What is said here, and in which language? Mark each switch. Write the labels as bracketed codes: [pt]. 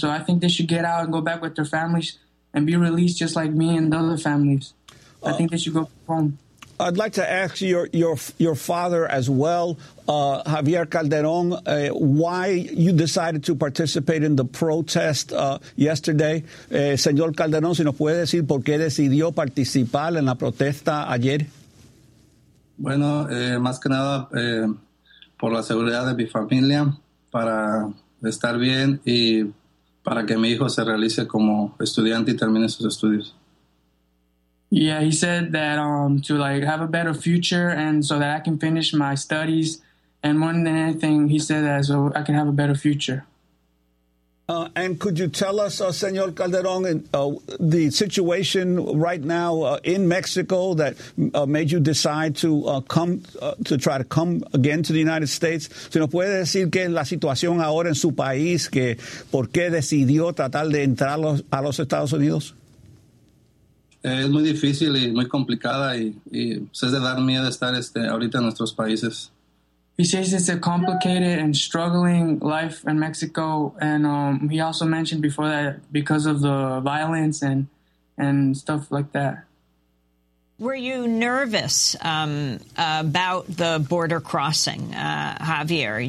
[en] So I think they should get out and go back with their families and be released just like me and the other families. I think they should go home. I'd like to ask your father as well, Javier Calderon, why you decided to participate in the protest yesterday. [es] Señor Calderon, si nos puede decir por qué decidió participar en la protesta ayer. Bueno, más que nada, por la seguridad de mi familia, para estar bien y para que mi hijo se realice como estudiante y termine sus estudios. [en] Yeah, he said that to like have a better future and so that I can finish my studies. And more than anything, he said that so I can have a better future. And could you tell us, Señor Calderón, the situation right now in Mexico that made you decide to come again to the United States? [es] ¿Se nos puede decir que la situación ahora en su país, que por qué decidió tratar de entrar a los Estados Unidos? Es muy difícil y muy complicada y es de dar miedo estar ahorita en nuestros países. [en] He says it's a complicated and struggling life in Mexico, and he also mentioned before that because of the violence and stuff like that. Were you nervous about the border crossing, Javier?